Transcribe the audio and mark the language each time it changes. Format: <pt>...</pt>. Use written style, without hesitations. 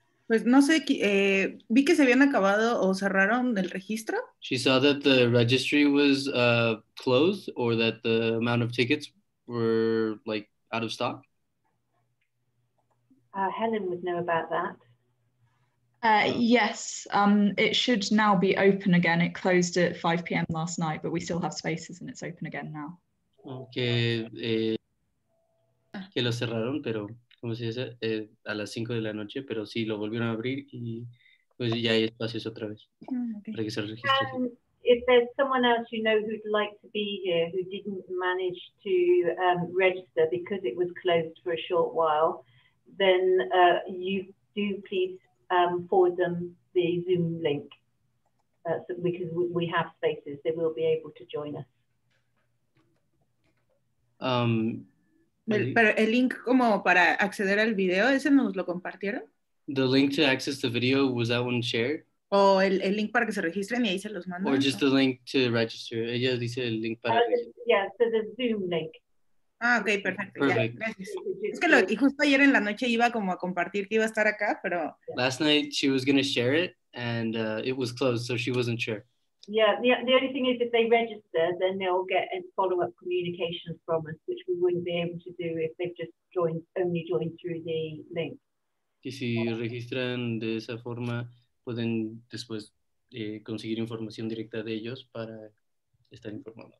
<es>Pues no sé, vi que se habían acabado o cerraron el registro.</es> <en>She saw that the registry was closed or that the amount of tickets were like out of stock. Helen would know about that. Yes, it should now be open again. It closed at 5 p.m. last night, but we still have spaces and it's open again now.</en> <es>Que lo cerraron, pero... ¿Cómo se dice? A las 5 de la noche, pero sí, lo volvieron a abrir y pues ya hay espacios otra vez. Okay. Para que se registre.</es> <en>If there's someone else you know who'd like to be here who didn't manage to register because it was closed for a short while, then you do please forward them the Zoom link so because we have spaces, they will be able to join us.</en> <es>Pero el link como para acceder al video, ¿ese nos lo compartieron?</es> <en>The link to access the video, was that one shared?</en> <es>O el link para que se registren y ahí se los mandan.</es> <en>Or just the link to register.</en> <es>Ella dice el link para...</es> <en>Yeah, so the Zoom link.</en> <es>Ah, ok, perfecto.</es> <en>Perfect. Yeah,</en> <es>gracias. Es que y justo ayer en la noche iba como a compartir que iba a estar acá, pero...</es> <en>Last night she was going to share it and it was closed, so she wasn't sure. Yeah, the only thing is if they register, then they'll get a follow-up communication from us, which we wouldn't be able to do if they've just only joined through the link.</en> <es>Y si registran de esa forma, pueden después conseguir información directa de ellos para estar informados.</es>